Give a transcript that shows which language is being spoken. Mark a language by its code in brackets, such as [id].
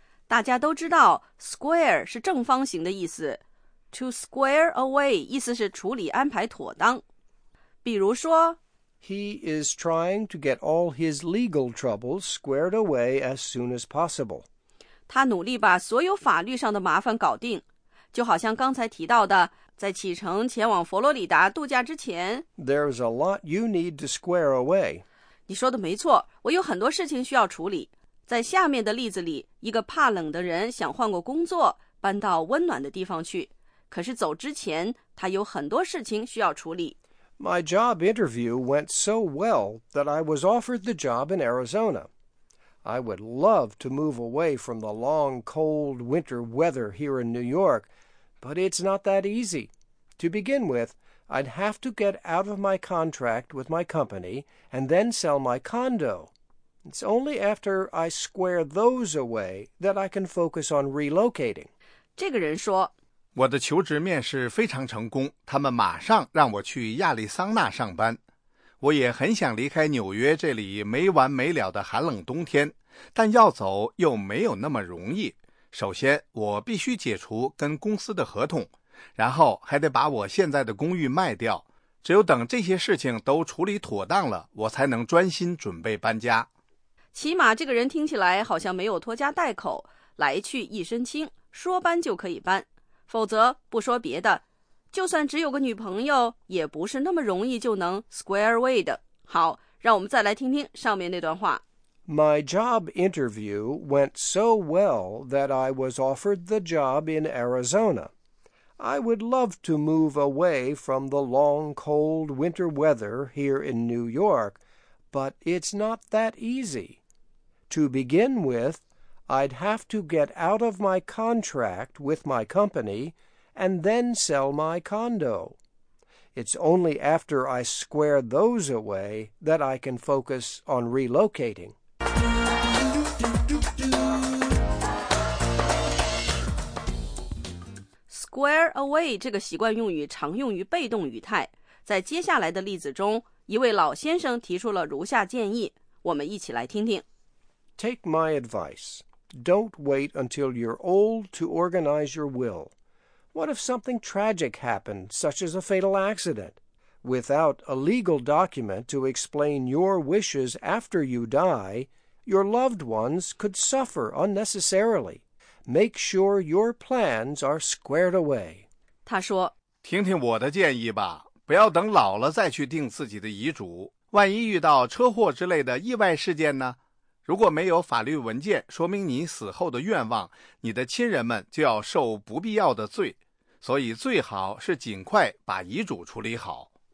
[zh] 大家都知道 square 是正方形的意思， to square away 意思是处理安排妥当。比如说 [en] He is trying to get all his legal troubles squared away as soon as possible. [zh] 他努力把所有法律上的麻烦搞定，就好像刚才提到的，在启程前往佛罗里达度假之前。 [en] There's a lot you need to square away. [zh] 你说的没错，我有很多事情需要处理。在下面的例子里，一个怕冷的人想换过工作，搬到温暖的地方去，可是走之前，他有很多事情需要处理。 [en] My job interview went so well that I was offered the job in Arizona. I would love to move away from the long, cold winter weather here in New York, but it's not that easy. To begin with, I'd have to get out of my contract with my company and then sell my condo. It's only after I square those away that I can focus on relocating. [zh] 这个人说我的求职面试非常成功，他们马上让我去亚利桑那上班。我也很想离开纽约这里没完没了的寒冷冬天，但要走又没有那么容易。首先，我必须解除跟公司的合同，然后还得把我现在的公寓卖掉。只有等这些事情都处理妥当了，我才能专心准备搬家。起码这个人听起来好像没有拖家带口，来去一身轻，说搬就可以搬。否则不说别的，就算只有个女朋友也不是那么容易就能 square away 的。好，让我们再来听听上面那段话。 [en] My job interview went so well that I was offered the job in Arizona. I would love to move away from the long cold winter weather here in New York, but it's not that easy. To begin withI'd have to get out of my contract with my company and then sell my condo. It's only after I square those away that I can focus on relocating. 嘟嘟嘟嘟嘟 [zh] Square away 这个习惯用语常用于被动语态。在接下来的例子中，一位老先生提出了如下建议，我们一起来听听。 [en] Take my advice. Don't wait until you're old to organize your will. What if something tragic happened, such as a fatal accident? Without a legal document to explain your wishes after you die, your loved ones could suffer unnecessarily. Make sure your plans are squared away. [zh] 他说，听听我的建议吧，不要等老了再去定自己的遗嘱。万一遇到车祸之类的意外事件呢？如果没有法律文件说明你死后的愿望，你的亲人们就要受不必要的罪，所以最好是尽快把遗嘱处理好。